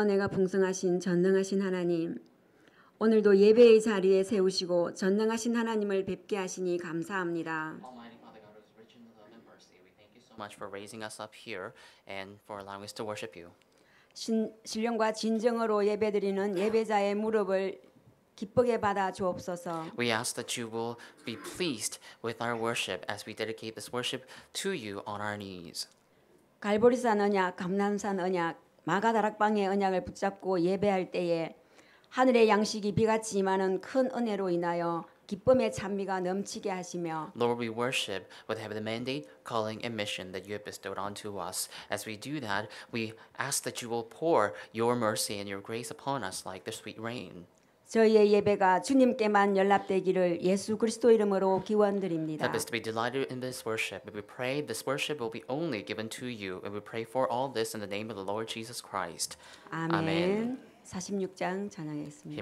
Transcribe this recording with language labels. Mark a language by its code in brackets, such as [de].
[ko] 풍성하신 전능하신 하나님, 오늘도 예배의 자리에 세우시고 전능하신 하나님을 뵙게 하시니 감사합니다. [en] So [ko] 신령과 진정으로 예배드리는 예배자의 무릎을 기쁘게 받아 주옵소서. [en] We ask that you will be pleased with our worship as we dedicate this worship to you on our knees. [ko] 갈보리산 언약, 감람산 언약, 마가다락방의 언약을 붙잡고 예배할 때에 하늘의 양식이 비같이 임하는 큰 은혜로 인하여 기쁨의 찬미가 넘치게 하시며 [en] Lord, we worship with heaven the mandate, calling, and mission that you have bestowed onto us. As we do that, we ask that you will pour your mercy and your grace upon us like the sweet rain. [ko] 저희의 예배가 주님께만 열납되기를 예수 그리스도 이름으로 기원드립니다. [en] Help us to be delighted in this worship. We pray this worship will be only given to you. And we pray for all this in the name of the Lord Jesus Christ. [ko] 아멘. 46장 찬양하겠습니다.